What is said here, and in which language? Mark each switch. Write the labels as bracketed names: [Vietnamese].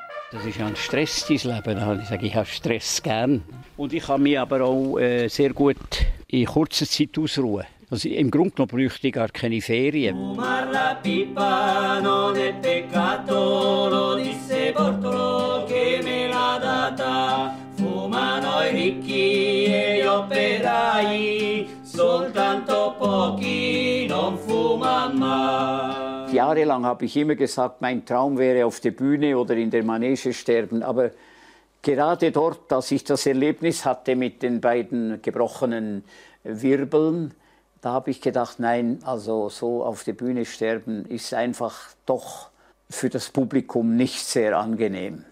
[German] Das ist ja ein Stress, dein Leben. Ich sage, ich habe Stress gern. Und ich kann mich aber auch sehr gut in kurzer Zeit ausruhen. Also im Grunde genommen bräuchte ich gar keine Ferien. [Italian] Umar la pipa, non è peccato, lo disse Bortolo che me l'ha data. Fumano i ricchi e gli operai, soltanto pochi non fuman mai. [German] Jahrelang habe ich immer gesagt, mein Traum wäre auf der Bühne oder in der Manege sterben. Aber gerade dort, als ich das Erlebnis hatte mit den beiden gebrochenen Wirbeln, da habe ich gedacht, nein, also so auf der Bühne sterben ist einfach doch für das Publikum nicht sehr angenehm.